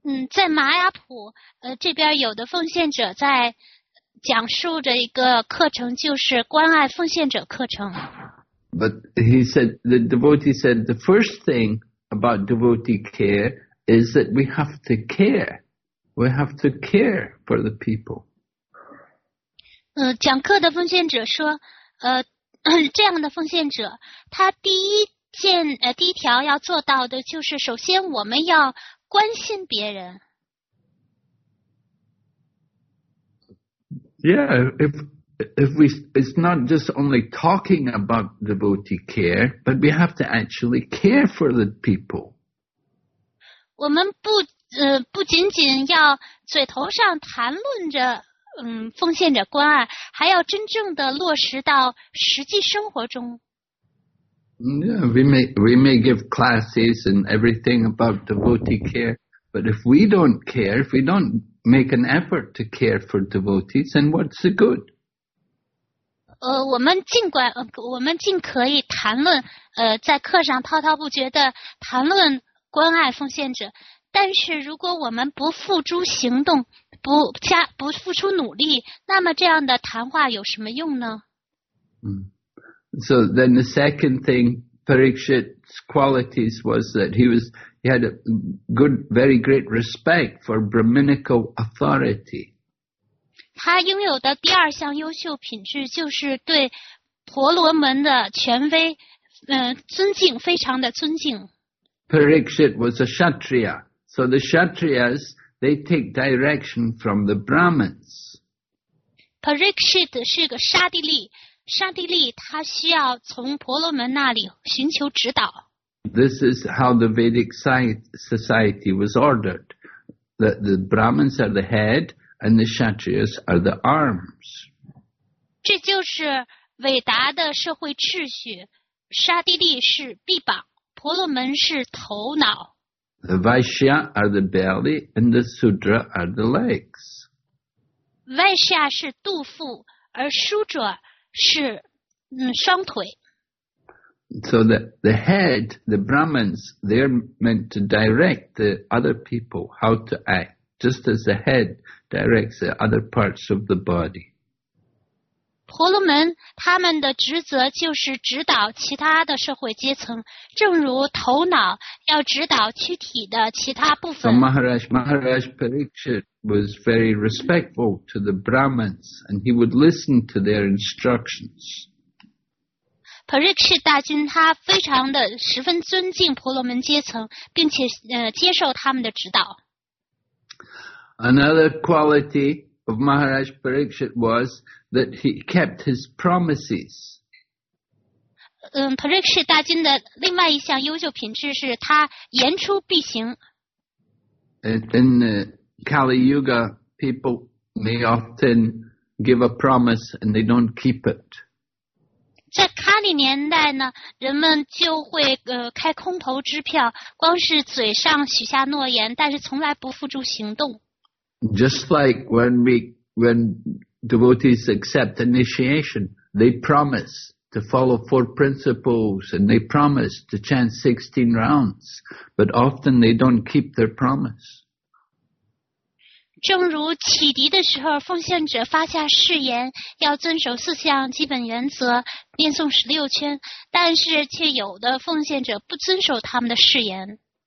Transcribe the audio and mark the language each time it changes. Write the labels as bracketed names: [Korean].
[Chinese] 在马雅普这边有的奉献者在讲述着一个课程，就是关爱奉献者课程。 [English] But he said the devotee said the first thing about devotee care is that we have to care. We have to care for the people. [Chinese] 讲课的奉献者说，这样的奉献者，他第一条要做到的就是，首先我们要关心别人。 [English] Yeah, if we, it's not just only talking about devotee care, but we have to actually care for the people. [Chinese] 我们不仅仅要嘴头上谈论着奉献着关爱，还要真正的落实到实际生活中。 [English] Yeah, we may give classes and everything about devotee care, but if we don't care, if we don't make an effort to care for devotees, then what's the good? [Chinese] 我们尽可以谈论在课上滔滔不绝的谈论关爱奉献者。但是如果我们不付诸行动，不付出努力，那么这样的谈话有什么用呢？ [English] So then the second thing, Parikshit's qualities was that he had a good, very great respect for Brahminical authority. [Chinese] 他拥有的第二项优秀品质就是对婆罗门的权威，尊敬，非常的尊敬。 [English] Parikshit was a Kshatriya. So the Kshatriyas, they take direction from the Brahmins. [Chinese] Parikshit 是个沙地利，沙地利他需要从婆罗门那里寻求指导。 [English] This is how the Vedic society was ordered. That the Brahmins are the head and the Kshatriyas are the arms. [Chinese] 这就是伟达的社会秩序，沙地利是臂膀，婆罗门是头脑。 [English] The Vaishya are the belly and the Sudra are the legs. [Chinese] Vaishya 是肚腹，而 Sudra 是双腿。 [English] So the head, the Brahmins, they're meant to direct the other people how to act, just as the head directs the other parts of the body. [Chinese] 婆罗门他们的职责就是指导其他的社会阶层，正如头脑要指导躯体的其他部分。 [English] So Maharaj Parikshit was very respectful to the Brahmins, and he would listen to their instructions. [Chinese] Parikshit 大君他非常的十分尊敬婆罗门阶层，并且接受他们的指导。 [English] Another quality of Maharaj Parikshit was that he kept his promises. [Chinese] Parikshit 大君的另外一项优秀品质是他言出必行。 [English] In the Kali Yuga, people may often give a promise and they don't keep it. [Chinese] 在卡里年代呢，人们就会开空头支票，光是嘴上许下诺言，但是从来不付诸行动。 [English] Just like when devotees accept initiation, they promise to follow four principles and they promise to chant 16 rounds, but often they don't keep their promise. [Chinese] 正如启迪的时候，奉献者发下誓言要遵守四项基本原则，念诵16圈，但是却有的奉献者不遵守他们的誓言。